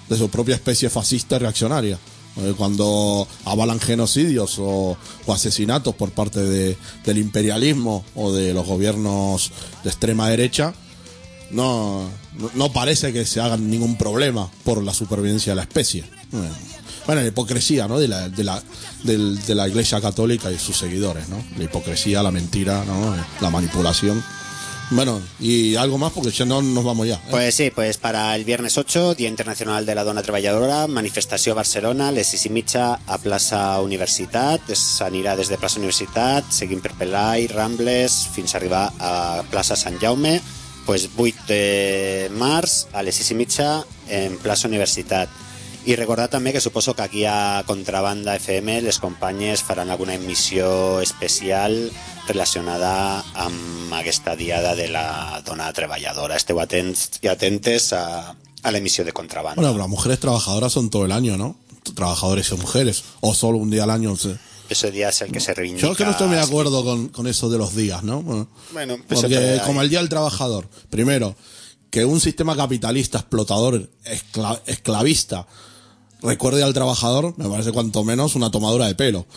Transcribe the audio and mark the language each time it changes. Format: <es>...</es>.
<es>De su propia especie fascista y reaccionaria. Cuando avalan genocidios o asesinatos por parte del imperialismo o de los gobiernos de extrema derecha, no parece que se hagan ningún problema por la supervivencia de la especie. Bueno, la hipocresía, ¿no?, de la Iglesia Católica y sus seguidores, ¿no? La hipocresía, la mentira, ¿no?, la manipulación. Bueno, y algo más, porque si no nos vamos ya, ¿eh? Pues sí, pues para el viernes 8,</es> <ca>Día Internacional de la Dona Treballadora, manifestació a Barcelona, les 6 i mitja a plaça Universitat, s'anirà des de plaça Universitat, seguint per Pelai, Rambles, fins a arribar a plaça Sant Jaume, pues 8 de març a les 6 i mitja en plaça Universitat. I recordar també que suposo que aquí a Contrabanda FM les companyes faran alguna emissió especial relacionada amb aquesta diada de la dona treballadora. Esteu atents i atentes a l'emissió de Contrabanda.</ca> <es>Bueno, las mujeres trabajadoras son todo el año, ¿no? Trabajadores y mujeres. O solo un día al año, no sé. Ese día es el que no se reivindica. Yo es que no estoy muy de acuerdo con eso de los días, ¿no? Bueno, pues porque como el día del trabajador, primero, que un sistema capitalista, explotador, esclavista, recuerde al trabajador, me parece cuanto menos una tomadura de pelo.</es>